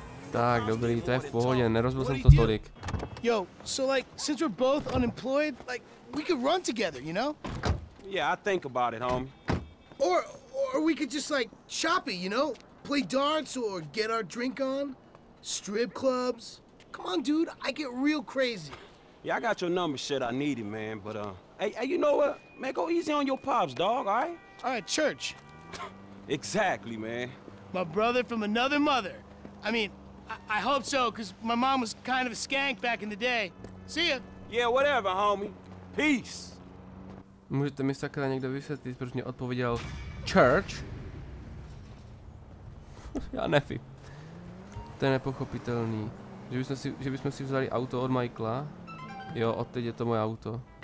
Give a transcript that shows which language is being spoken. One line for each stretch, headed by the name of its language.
Czech: Tak, dobrý, to je v pohodě, nerozbil jsem to tolik.
English: Yo, so like, since we're both unemployed, like, we could run together, you know? Yeah, I think about it, homie. Or we could just like, chop it, you know? Play darts or get our drink on. Strip clubs. Come on, dude, I get real crazy. Yeah, I got your number, shit, I need it, man, but hey, you know what? Man, go easy on your pops, dog, alright? Alright, church. Exactly, man. My brother from another mother. I mean, I hope so, because my mom was kind of a skank back in the day. See ya. Yeah, whatever, homie. Peace.
Czech: Můžete mi sakra někdo vysvětlit, proč mě odpověděl church? Já nevím. To je nepochopitelný. Že bychom si vzali auto od Michaela. Jo, odteď je to moje auto.